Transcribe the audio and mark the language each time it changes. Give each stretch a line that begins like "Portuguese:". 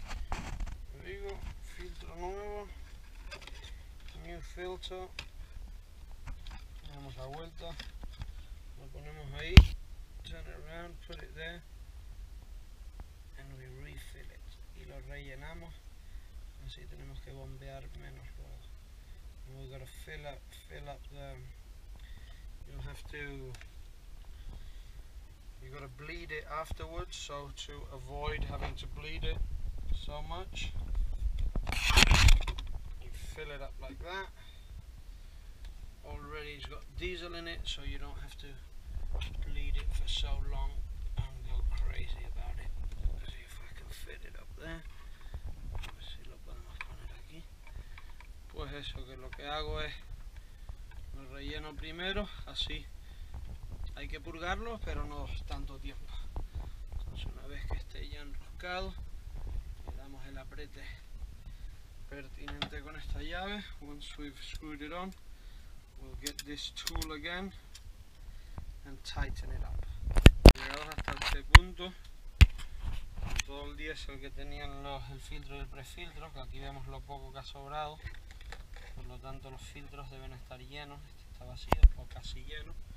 Spanish: Lo digo, filtro nuevo,
English: new filter,
Spanish: le damos la vuelta, lo ponemos ahí,
English: turn around, put it there, and we refill it.
Spanish: Y lo rellenamos, así tenemos que bombear menos luego.
English: And we gotta fill up the, you'll have to, you gotta bleed it afterwards, so to avoid having to bleed it so much, you fill it up like that. Already it's got diesel in it, so you don't have to bleed it for so long and go crazy about it. Let's see if I can fit it up there.
Spanish: A ver si lo podemos poner aquí. Pues eso, que lo que hago es lo relleno primero, así. Hay que purgarlo, pero no tanto tiempo. Entonces, una vez que esté ya enroscado, le damos el apriete pertinente con esta llave.
English: Once we've screwed it on, we'll get this tool again and tighten it up.
Spanish: Llegados hasta este punto, todo el diésel que tenían el filtro y el prefiltro, que aquí vemos lo poco que ha sobrado, por lo tanto los filtros deben estar llenos, este está vacío o casi lleno.